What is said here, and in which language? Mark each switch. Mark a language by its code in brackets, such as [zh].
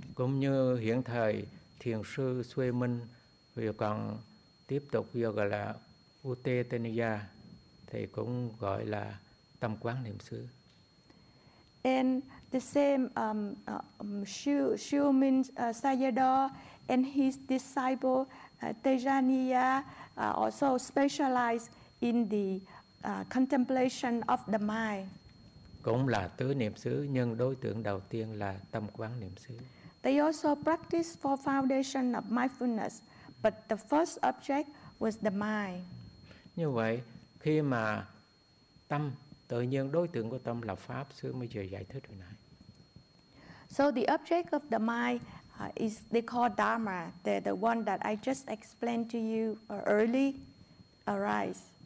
[vi] Cũng như hiện thời thiền sư Suy Minh vừa còn tiếp tục vừa gọi là Utetaniya, thì cũng gọi là tâm quán niệm xứ. [en] And the same Shumin Sayadaw and his disciple Tejaniya also specialize in the contemplation of the mind. [vi] Cũng là tứ niệm xứ, nhưng đối tượng đầu tiên là tâm quán niệm xứ. [en] They also practice for foundation of mindfulness, but the first object was the mind. [vi] Như vậy, khi mà tâm, tự nhiên đối tượng của tâm là pháp, sư mới vừa giải thích hồi nãy. [en] So the object of the mind is they call dharma, the one that I just explained to you early, arise.